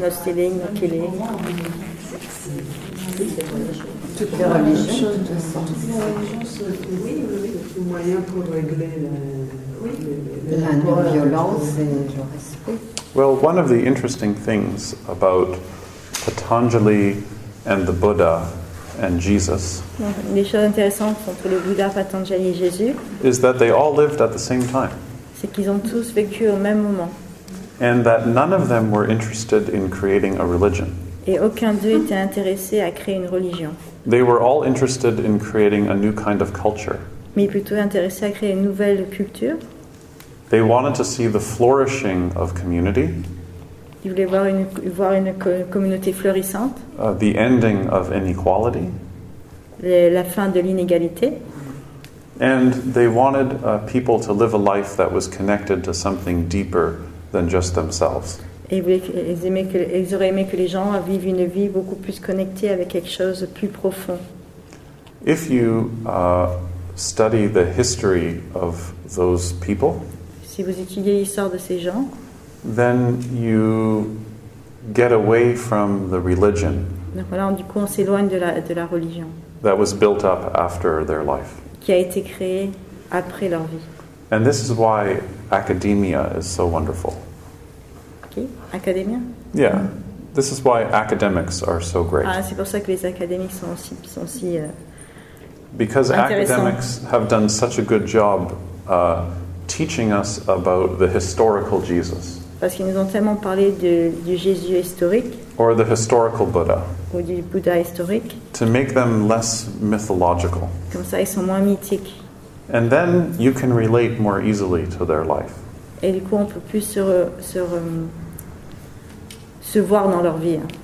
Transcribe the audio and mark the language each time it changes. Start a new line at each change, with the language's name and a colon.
English: Not stealing, not killing. Well, one of the interesting things about Patanjali and the Buddha and Jesus is that they all lived at the same time.
French: C'est qu'ils ont tous vécu au même moment.
English: And that none of them were interested in creating a religion.
French: Et aucun d'eux était intéressé à créer une religion.
English: They were all interested in creating a new kind of culture.
French: Mais plutôt intéressés à créer une nouvelle culture.
English: They wanted to see the flourishing of community.
French: Ils voulaient voir une communauté florissante.
English: The ending of inequality.
French: La fin de l'inégalité.
English: And they wanted people to live a life that was connected to something deeper than just themselves.
French: Et ils auraient aimé que les gens vivent une vie beaucoup plus connectée avec quelque chose de plus profond.
English: If you study the history of those people,
French: si vous étudiez l'histoire de ces gens,
English: then you get away from the religion.
French: Donc voilà, du coup, on s'éloigne de la religion.
English: That was built up after their life.
French: Qui a été créée après leur vie.
English: And this is why academia is so wonderful. Academia? Yeah, this is why academics are so great.
French: Ah, c'est pour ça que les académiques sont si
English: because academics have done such a good job teaching us about the historical Jesus.
French: parce qu'ils nous ont tellement parlé du Jésus historique.
English: Or the historical Buddha.
French: Ou du Bouddha historique.
English: To make them less mythological.
French: Comme ça, ils sont moins mythiques.
English: And then you can relate more easily to their life.
French: Et du coup, on peut plus se voir dans leur vie.